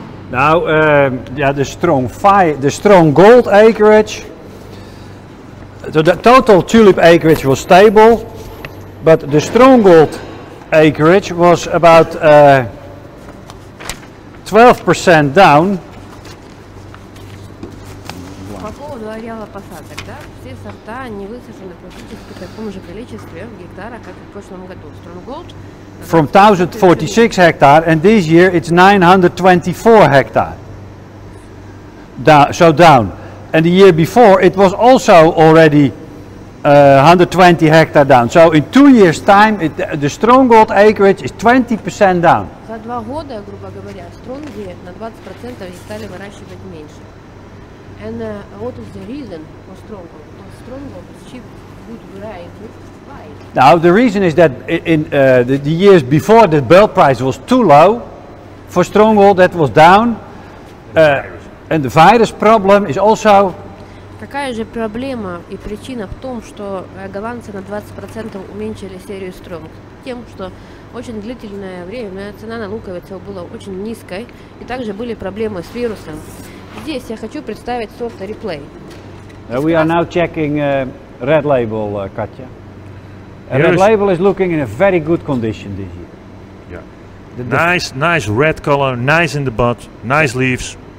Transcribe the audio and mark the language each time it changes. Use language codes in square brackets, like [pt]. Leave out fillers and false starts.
[en] Now, the Strong Fire, the Strong Gold acreage. So the total tulip acreage was stable, but the Strong Gold acreage was about 12% down. [ru] По поводу ареала посадок, да? Все сорта не высажены практически в таком же количестве гектара, как в прошлом году. [en] Strong Gold. From 1046 hectare, and this year it's 924 hectare. So down. And the year before it was also already 120 hectare down. So in 2 years time, the Stronghold acreage is 20% down. [ru] За два года, грубо говоря, Stronghold на 20% стали выращивать меньше. [en] And what is the reason for Stronghold? For Stronghold, it's cheap, good variety. Now the reason is that in the years before the bell price was too low for Stronghold, that was down, and the virus problem is also. [ru] Такая же проблема и причина в том, что голландцы на 20% уменьшили серию Strong, тем что очень длительное время цена на луковицу была очень низкой, и также были проблемы с вирусом. Здесь я хочу представить сорт Replay. [en] We are now checking Red Label, Katja. And Red Label is looking in a very good condition this year. Yeah. Nice red color, nice in the bud, nice leaves.